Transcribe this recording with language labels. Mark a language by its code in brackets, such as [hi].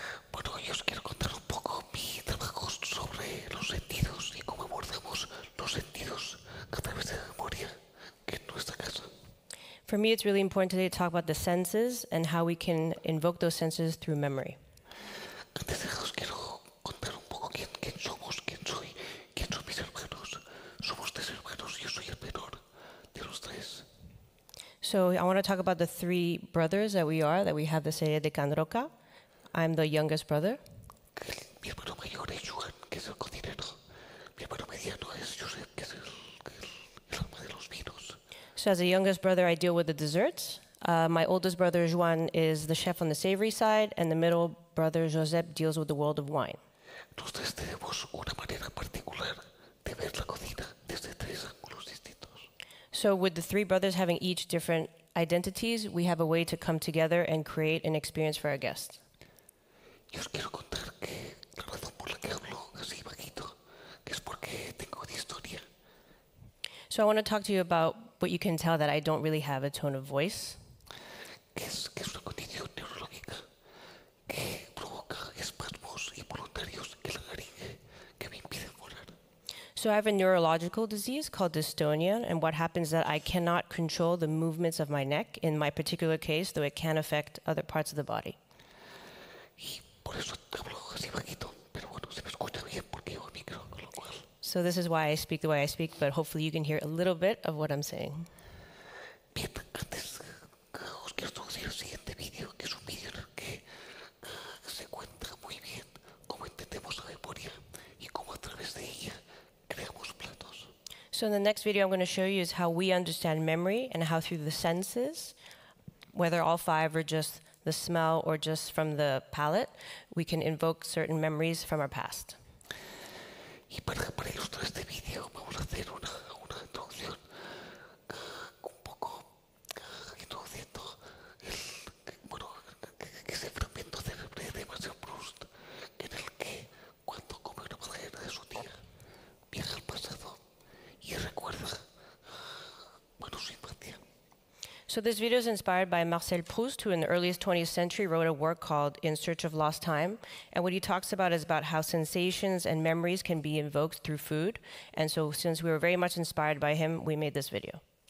[es] Bueno, yo os quiero contar un poco mi trabajo sobre los sentidos y cómo abordamos los sentidos a través de la memoria en nuestra casa. [en] For me, it's really important today to talk about the senses and how we can invoke those senses through memory. [es] Antes de eso, quiero contar un poco quién somos, quién son mis hermanos. Somos tres hermanos, yo soy el menor de los tres. [en] So I want to talk about the three brothers that we are, that we have the serie de Can Roca. I'm the youngest brother. [es] Mi hermano mayor es Juan, que es el cocinero. Mi hermano mediano es Josep, que es el alma de los vinos. [en] So as the youngest brother, I deal with the desserts. My oldest brother, Juan, is the chef on the savory side, and the middle brother, Josep, deals with the world of wine. [es] Nosotros tenemos una manera particular de ver la cocina desde tres ángulos distintos. [en] So with the three brothers having each different identities, we have a way to come together and create an experience for our guests. [es] Yo os quiero contar que la razón por la que hablo así bajito es porque tengo una historia. [en] So I want to talk to you about what you can tell that I don't really have a tone of voice. [es] Que es una condición neurológica que provoca espasmos involuntarios en la laringe que me impiden volar. [en] So I have a neurological disease called dystonia, and what happens is that I cannot control the movements of my neck in my particular case, though it can affect other parts of the body. [es] Por eso hablo así bajito, pero bueno, se me escucha bien porque llevo micro, con lo cual. [en] So this is why I speak the way I speak, but hopefully you can hear a little bit of what I'm saying. [es] Bien, antes os quiero traducir el siguiente vídeo, que es un vídeo en el que se cuenta muy bien cómo entendemos la memoria y cómo a través de ella creamos platos. [en] So in the next video I'm going to show you is how we understand memory and how through the senses, whether all five or just the smell or just from the palate, we can invoke certain memories from our past. [es] Y para ilustrar este video, vamos a hacer una introducción un poco introduciendo ese fragmento célebre de Marcel Proust, en el que cuando come una madera de su tía, viaja al pasado y recuerda su infancia. [en] So this video is inspired by Marcel Proust, who in the earliest 20th century wrote a work called In Search of Lost Time. And what he talks about is about how sensations and memories can be invoked through food. And so since we were very much inspired by him, we made this video.